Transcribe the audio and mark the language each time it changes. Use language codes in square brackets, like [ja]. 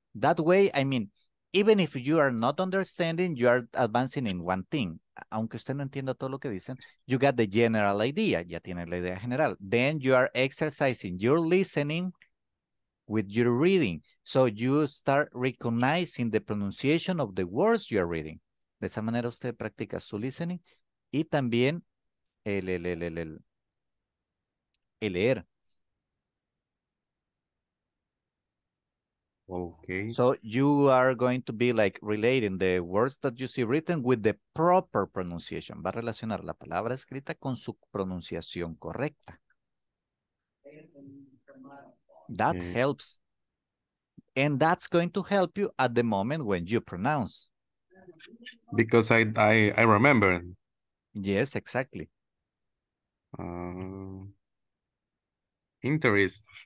[en] That way, I mean, even if you are not understanding, you are advancing in one thing. [es] Aunque usted no entienda todo lo que dicen, [en] you got the general idea. [es] Ya tiene la idea general. [en] Then you are exercising your listening with your reading. So you start recognizing the pronunciation of the words you are reading. [es] De esa manera usted practica su listening y también el leer. [en] Okay. So you are going to be like relating the words that you see written with the proper pronunciation. [es] Va a relacionar la palabra escrita con su pronunciación correcta. [en] That okay. Helps. And that's going to help you at the moment when you pronounce. Because I remember. Yes, exactly. Interest.